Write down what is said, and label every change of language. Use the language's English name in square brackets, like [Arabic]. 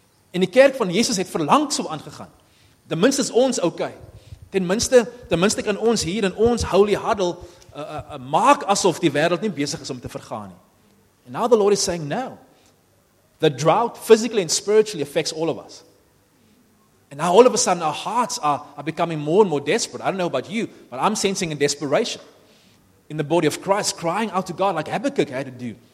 [Afrikaans] En die kerk van Jesus het verlang so aangegaan. Ten minste is ons okay. Ten minste kan ons hier in ons [English] holy huddle [Afrikaans] maak asof die wêreld nie besig is om te vergaan nie. [English] And now the Lord is saying, now, the drought physically and spiritually affects all of us. And now all of a sudden our hearts are becoming more and more desperate. I don't know about you, but I'm sensing a desperation in the body of Christ, crying out to God like Habakkuk had to do.